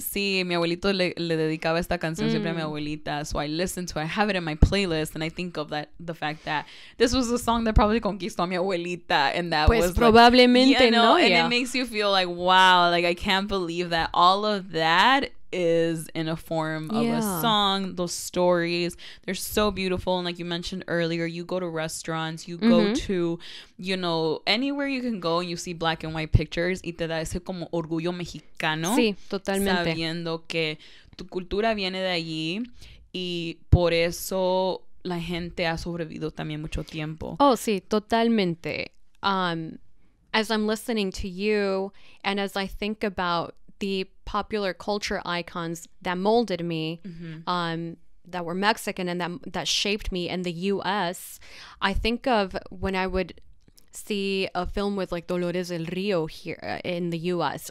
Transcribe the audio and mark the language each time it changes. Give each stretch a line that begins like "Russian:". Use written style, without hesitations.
Spanish: Sí, mi abuelito le dedicaba esta canción siempre a mi abuelita.
English: So I listen to it. I have it in my playlist. And I think of that, the fact that this was a song that probably
Spanish: conquistó a mi abuelita.
English: And that
Spanish: pues probablemente,
English: like,
Spanish: no.
English: And it makes you feel like, wow, like I can't believe that all of that is in a form of a song. Those stories, they're so beautiful. And like you mentioned earlier, you go to restaurants, you go to, you know, anywhere you can go and you see black and white pictures,
Spanish: y te da ese como orgullo mexicano. Sí, totalmente. Sabiendo que tu cultura viene de allí y por eso la gente ha sobrevivido también mucho tiempo. Oh, sí, totalmente.
English: As I'm listening to you and as I think about the popular culture icons that molded me, that were Mexican and that shaped me in the U.S., I think of when I would see a film with like Dolores del Río here in the U.S.